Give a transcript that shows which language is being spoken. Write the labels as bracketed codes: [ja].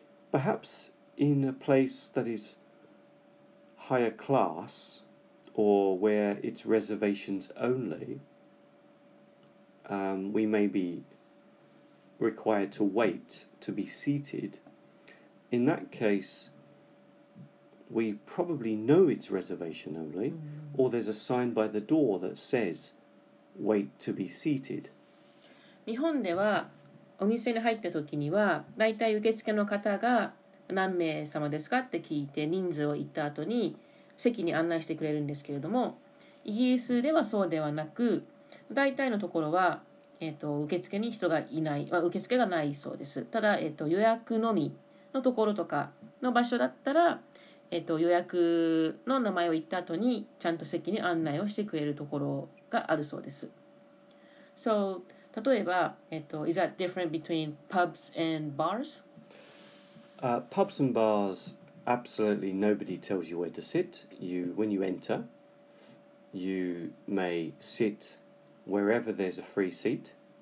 [en] Perhaps in a place that is higher class or where it's reservations only, we may be required to wait to be seated. In that case, we probably know it's reservation only, or there's a sign by the door that says, wait to be seated. [ja] 日本ではお店に入った時には、だいたい受付の方が何名様ですかって聞いて人数を言った後に席に案内してくれるんですけれども、イギリスではそうではなく、だいたいのところは、受付に人がいない、まあ、受付がないそうです。ただ、予約のみ、のところとかの場所だったら、予約の名前を言った後にちゃんと席に案内をしてくれるところがあるそうです。 [en] So, [ja] 例えば、 [en] Is that different between pubs and bars? Pubs and bars, absolutely nobody tells you where to sit. When you enter, you may sit wherever there's a free seat.